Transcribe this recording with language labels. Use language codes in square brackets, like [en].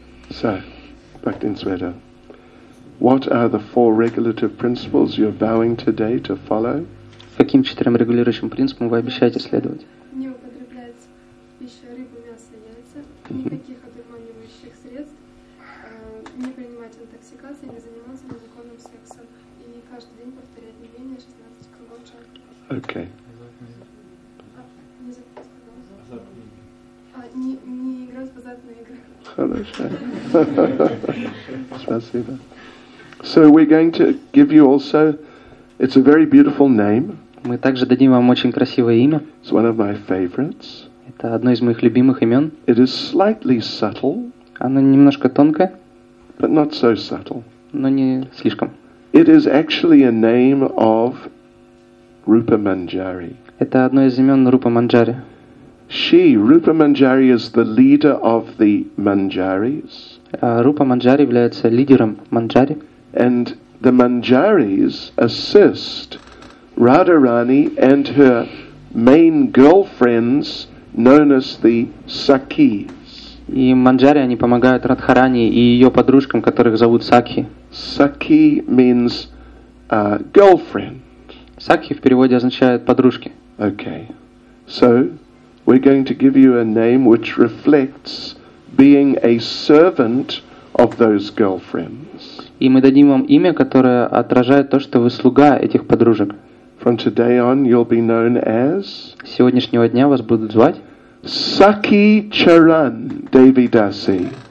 [en] So, Bhaktin Sweta, what are the four regulative principles you're vowing today to follow? [ru] Каким четырем регулирующим принципам вы обещаете следовать? Не употреблять пищу, рыбу, мясо, яйца, никаких одурманивающих средств, не принимать интоксикации, не заниматься незаконным сексом и каждый день повторять не менее 16 кругов чакры. [en] Okay. [ru] Спасибо. [en] So we're going to give you also, it's a very beautiful name. [ru] Мы также дадим вам очень красивое имя. [en] It's one of my favorites. [ru] Это одно из моих любимых имен. [en] It is slightly subtle. [ru] Оно немножко тонкое. [en] But not so subtle. [ru] Но не слишком. [en] It is actually a name of Rupa Manjari. [ru] Это одно из имен Рупа Манджари. [en] She, Rupa Manjari, is the leader of the Manjaris. [ru] Rupa Manjari является лидером Манджари. [en] And the Manjaris assist Radharani and her main girlfriends, known as the Sakhis. [ru] И Манджари, они помогают Радхарани и ее подружкам, которых зовут Сакхи. [en] Сакхи means girlfriend. [ru] Сакхи в переводе означает подружки. [en] Okay. So... We're going to give you a name which reflects being a servant of those girlfriends. [ru] И мы дадим вам имя, которое отражает то, что вы слуга этих подружек. [en] From today on, you'll be known as. [ru] С сегодняшнего дня вас будут звать. Сакхи Чаран Деви Даси.